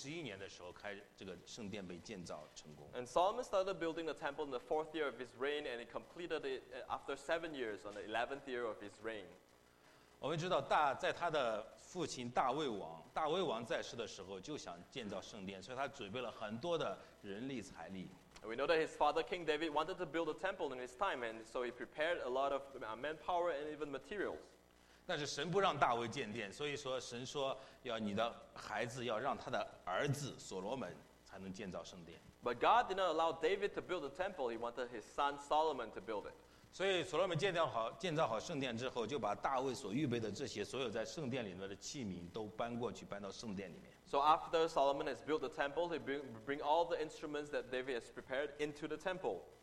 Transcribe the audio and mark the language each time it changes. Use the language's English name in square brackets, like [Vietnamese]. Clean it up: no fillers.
[Chinese] 那么在第一节里面所说，所罗门做完了耶和华殿的一切工作。所罗门是在他在位的第四年开始建造圣殿，他建造了七年，到他在位的第11年的时候，开这个圣殿被建造成功。 [English] And Solomon started building the temple in the fourth year of his reign, and he completed it after 7 years on the 11th year of his reign. [Chinese] 我们知道大在他的父亲大卫王在世的时候就想建造圣殿，所以他准备了很多的人力财力。 [English] We know that his father King David wanted to build a temple in his time, and so he prepared a lot of manpower and even materials. [Chinese] 但是神不让大卫建殿，所以说神说要你的孩子要让他的儿子所罗门才能建造圣殿。But [English] God did not allow David to build a temple; he wanted his son Solomon to build it. [Chinese] 所以所罗门建造好圣殿之后，就把大卫所预备的这些所有在圣殿里面的器皿都搬过去，搬到圣殿里面。So [English] after Solomon has built the temple, he bring all the instruments that David has prepared into the temple.